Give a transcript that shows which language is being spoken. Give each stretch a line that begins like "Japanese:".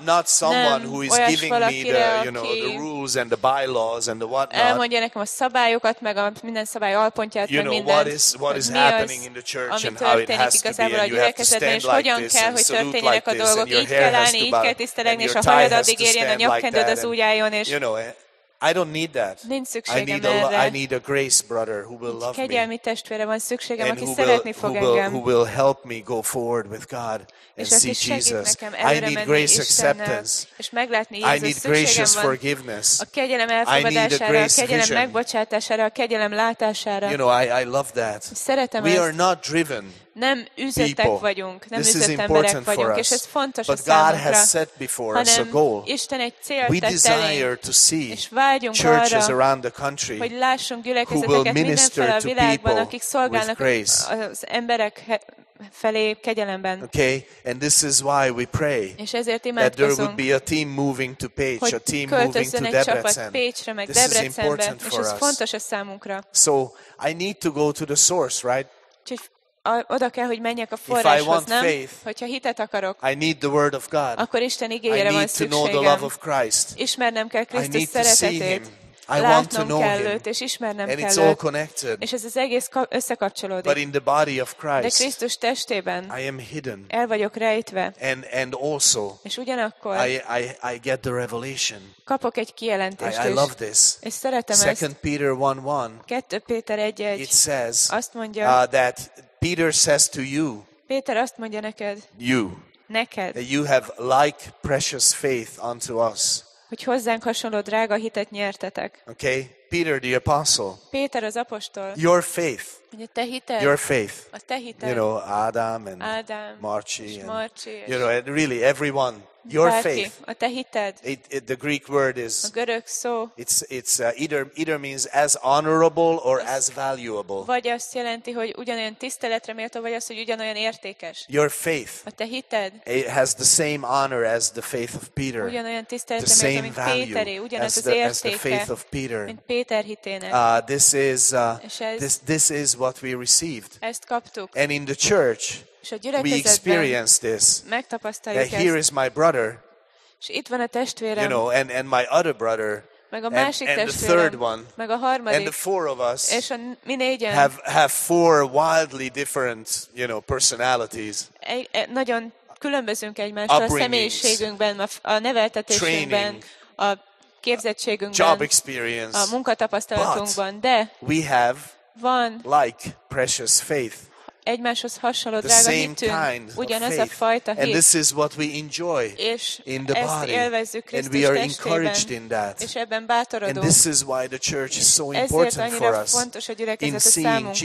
English: Not someone who is giving me the you know the rules and the bylaws and the whatnot.
Hungarian: Elmondja nekem a szabályokat meg a minden szabály alpontját
English: you know,
Hungarian: meg minden.
English: What is happening in the church and how it has to be and you have
Hungarian: és hogyan kell, hogy történjenek a dolgok, így kell állni, így kell tisztelegni, és a hajad addig érjen, a nyakkendőd az úgy álljon, és
English: I don't need that.
Hungarian: Nincs szükségem
English: I need
Hungarian: erre.
English: I need a grace brother who will love me.
Hungarian: Kegyelmi testvére van szükségem,
English: and
Hungarian: aki szeretni fog engem.
English: Who will help me go forward with God and
Hungarian: és
English: see Jesus.
Hungarian: Nekem előre
English: I need grace
Hungarian: Istennel,
English: acceptance.
Hungarian: És meglátni Jézus.
English: I need gracious forgiveness.
Hungarian: A kegyelem elfogadására, a kegyelem megbocsátására, a kegyelem látására.
English: You know, I love that.
Hungarian: Szeretem
English: we Are not driven.
Hungarian: Nem üzletek vagyunk, nem
English: this
Hungarian: üzlet emberek vagyunk, és ez fontos
English: but
Hungarian: a számunkra,
English: God has set before
Hungarian: hanem
English: us a goal.
Hungarian: Isten egy célt tett elénk, és vágyunk arra, hogy lássunk gyülekezeteket mindenfelé a világban, akik szolgálnak az emberek felé kegyelemben.
English: Okay, and this is why we pray that there would be a team moving to Pécs, a team moving to Debrecen. This is
Hungarian: fontos a számunkra.
English: So, I need to go to the source, right?
Hungarian: Oda kell, hogy menjek a forráshoz, nem?
English: Faith,
Hungarian: hogyha hitet akarok,
English: I need the word of God.
Hungarian: Akkor Isten igényére van szükségem.
English: I need to know the love of Christ.
Hungarian: Ismernem kell Krisztus
English: I need
Hungarian: szeretetét.
English: To see him.
Hungarian: látnom kell őt, és ismernem kell őt.
English: And it's all connected.
Hungarian: És ez az egész összekapcsolódik.
English: But in the body of Christ,
Hungarian: de Krisztus testében
English: I am hidden.
Hungarian: El vagyok rejtve.
English: And also,
Hungarian: és ugyanakkor
English: I get the revelation.
Hungarian: Kapok egy kijelentést.
English: I love this.
Hungarian: És szeretem ezt.
English: 2 Peter 1:1.
Hungarian: 2 Péter 1:1.
English: It says,
Hungarian: azt mondja,
English: that Peter says to you.
Hungarian: Péter azt mondja neked.
English: You.
Hungarian: Neked.
English: That you have like precious faith unto us.
Hungarian: Hogy hozzánk hasonló drága hitet nyertetek.
English: Okay, Peter the apostle.
Hungarian: Péter az apostol.
English: Your faith.
Hungarian: Ugye te hited.
English: Your faith.
Hungarian: A te hited.
English: You know, Adam and Marci. You know, and really everyone. Your
Hungarian: bárki,
English: faith.
Hungarian: A te hited.
English: It, the Greek word is.
Hungarian: A görög szó.
English: It's either means as honorable or as valuable.
Hungarian: Vagy azt jelenti, hogy ugyanolyan tiszteletre méltó, vagy az, hogy ugyanolyan értékes.
English: Your faith.
Hungarian: A te hited.
English: It has the same honor as the faith of Peter.
Hungarian: Ugyanolyan tiszteletre méltó, mint Péteré. Ugyanaz az értéke.
English: As the faith of Peter.
Hungarian: Mint Péter hitének.
English: This is this is what we received.
Hungarian: Ezt kaptuk.
English: And in the church. We experience this.
Hungarian: Megtapasztaljuk ezt.
English: Here is my brother.
Hungarian: És itt van a testvérem.
English: You know, and my other brother.
Hungarian: Meg a másik
English: and
Hungarian: testvérem.
English: The third one.
Hungarian: Meg a harmadik.
English: And the four of us.
Hungarian: És a mi négyen.
English: Have four wildly different, you know, personalities.
Hungarian: Nagyon különbözünk egymástól a személyiségünkben, a neveltetésünkben,
English: training,
Hungarian: a képzettségünkben,
English: job experience,
Hungarian: a munkatapasztalatunkban, de
English: we have
Hungarian: van
English: like precious faith.
Hungarian: Egymáshoz hasonló drága hitünk, ugyanaz a fajta hit.
English: And this is what we enjoy in the body. And we are encouraged in that.
Hungarian: És ebben bátorodunk.
English: And this is why the church is so important for us.
Hungarian: Ezért annyira fontos a gyülekezet a számunkra.